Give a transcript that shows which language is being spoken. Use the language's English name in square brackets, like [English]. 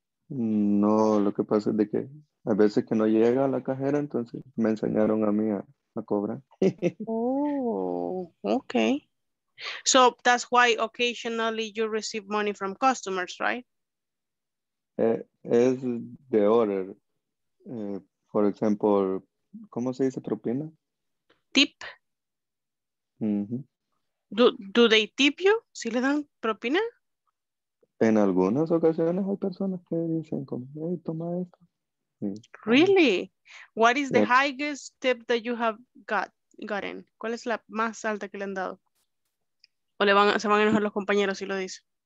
[Spanish] No, lo que pasa es de que a veces que no llega a la cajera, entonces me enseñaron a mí a cobrar. [English] Oh, okay. So that's why occasionally you receive money from customers, right? [Spanish] Es [English] the order. [Spanish] For example, ¿cómo se dice propina? [English] Tip. Mm-hmm. Do they tip you? [Spanish] ¿Sí le dan propina? [English] En algunas ocasiones hay personas que dicen como, hey, toma esto. Really? What is the highest tip that you have gotten? [Spanish] ¿Cuál es la más alta que le han dado? ¿O se van a enojar los compañeros si lo dicen?